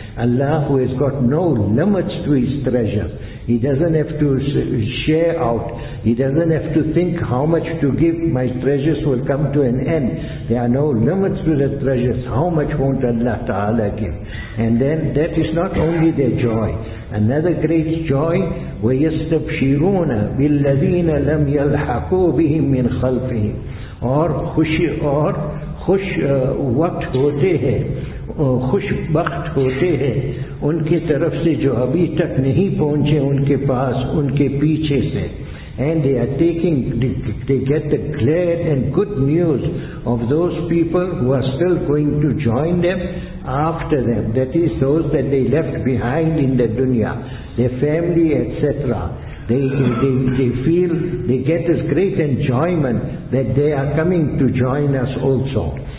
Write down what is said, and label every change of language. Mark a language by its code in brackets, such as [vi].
[en] Allah who has got no limits to His treasure. He doesn't have to share out. He doesn't have to think how much to give. My treasures will come to an end. There are no limits to the treasures. How much won't Allah Ta'ala give? And then that is not only their joy. Another great joy, [ar] وَيَسْتَبْشِرُونَ بِالَّذِينَ لَمْ يَلْحَقُوا بِهِمْ مِنْ خَلْفِهِمْ. [en] Or [ur] خوش وقت ہوتے ہیں, خوش بخت ہوتے ہیں ان کی طرف سے جو ابھی تک نہیں پہنچے ان کے پاس, ان کے پیچھے سے. [en] And they are taking, they get the glad and good news of those people who are still going to join them after them. That is those that they left behind in the dunya, their family, etc. They feel, they get this great enjoyment that they are coming to join us also.